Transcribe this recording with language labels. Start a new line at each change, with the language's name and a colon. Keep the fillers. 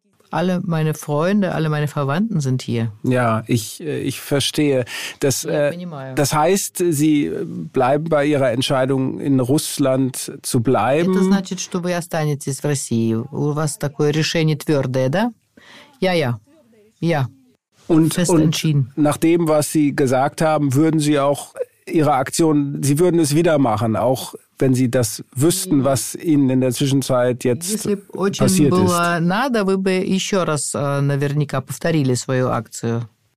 German: Alle meine Freunde, alle meine Verwandten sind hier. Ja, ich, ich verstehe. Das, äh, das heißt, Sie bleiben bei Ihrer Entscheidung, in Russland zu bleiben. Das
Russian: значит, что вы останетесь в России. У вас такое решение твердое, да?
German: Ja, ja. Ja. Und, und, nach dem, was Sie gesagt haben, würden Sie auch Ihre Aktion, Sie würden es wieder machen, auch wenn Sie das wüssten, was Ihnen in der Zwischenzeit jetzt passiert ist.
Russian: Надо, вы бы еще раз наверняка повторили свою акцию.